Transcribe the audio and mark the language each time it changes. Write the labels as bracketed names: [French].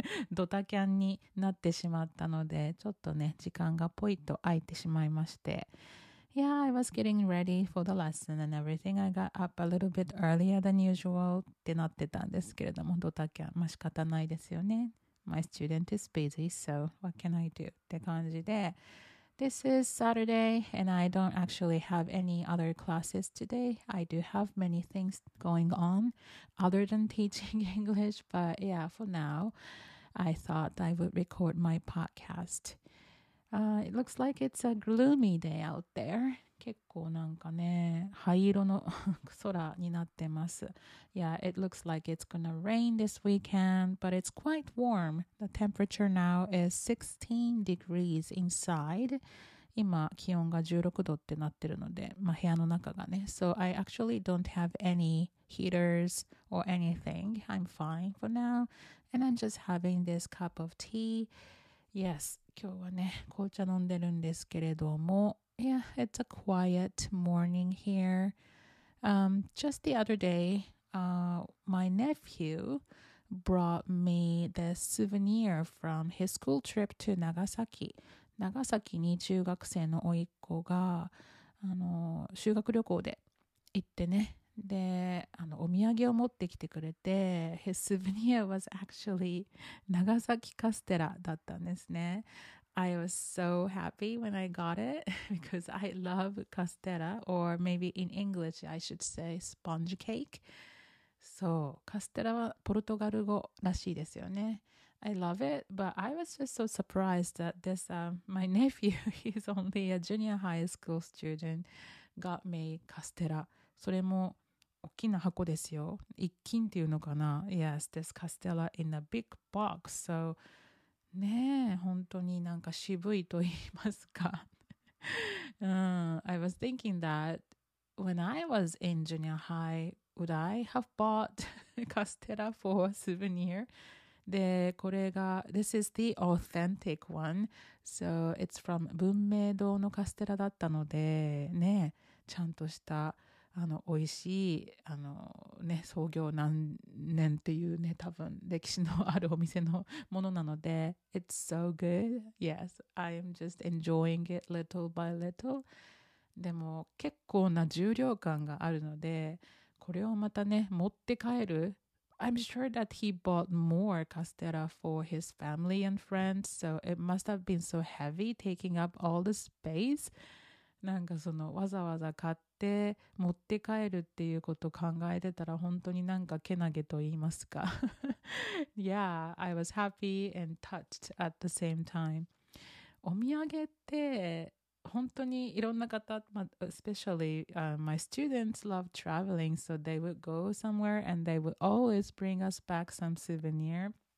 [Japanese] ドタキャンになってしまったのでちょっとね時間がポイッと空いてしまいまして [English] Yeah, I was getting ready for the lesson and everything. I got up a little bit earlier than usual [Japanese] ってなってたんですけれどもドタキャン、まあ、仕方ないですよね [English] My student is busy, so what can I do? [Japanese] って感じで [English] This is Saturday and I don't actually have any other classes today. I do have many things going on other than teaching English, but yeah, for now, I thought I would record my podcast. It looks like it's a gloomy day out there. [Japanese] 結構なんかね、灰色の空になってます。 [English] Yeah, it looks like it's gonna rain this weekend, but it's quite warm. The temperature now is 16 degrees inside. [Japanese] 今気温が16度ってなってるので、まあ、部屋の中がね。 [English] So I actually don't have any heaters or anything. I'm fine for now. And I'm just having this cup of tea. [Japanese] Yes, 今日はね、紅茶飲んでるんですけれども、 [English] Yeah, it's a quiet morning here. Just the other day, my nephew brought me this souvenir from his school trip to Nagasaki. [Japanese] Nagasaki に中学生の甥っ子が修学旅行で行ってね。で、お土産を持ってきてくれて、 [English] his souvenir was actually [Japanese] 長崎カステラだったんですね。 [English] I was so happy when I got it because I love castella or maybe in English I should say sponge cake. [Japanese] そう、カステラはポルトガル語らしいですよね。 [English] I love it, but I was just so surprised that this, my nephew, he's only a junior high school student, got me castella. [Japanese] それも大きな箱ですよ。一斤っていうのかな。 [English] Yes, this castella in a big box, so... [Japanese] ねえ、本当になんか渋いと言いますか。 [English] I was thinking that when I was in junior high, would I have bought castella for a souvenir? [Japanese] で、これが、 [English] this is the authentic one. So it's from [Japanese] 文明堂のカステラだったので、ねえ、ちゃんとした。美味しい、ね、創業何年っていうね、多分歴史のあるお店のものなので [English] It's so good, yes, I am just enjoying it little by little [Japanese] でも結構な重量感があるのでこれをまたね、持って帰る [English] I'm sure that he bought more castella for his family and friends so it must have been so heavy taking up all the space [Japanese] なんかそのわざわざ買って持って帰るっていうことを考えてたら本当になんかけなげと言いますか。 [English] Yeah, I was happy and touched at the same time. [Japanese] お土産って本当にいろんな方、まあ、especially [English] my students love traveling, so they would go somewhere and they would always bring us back some souvenir.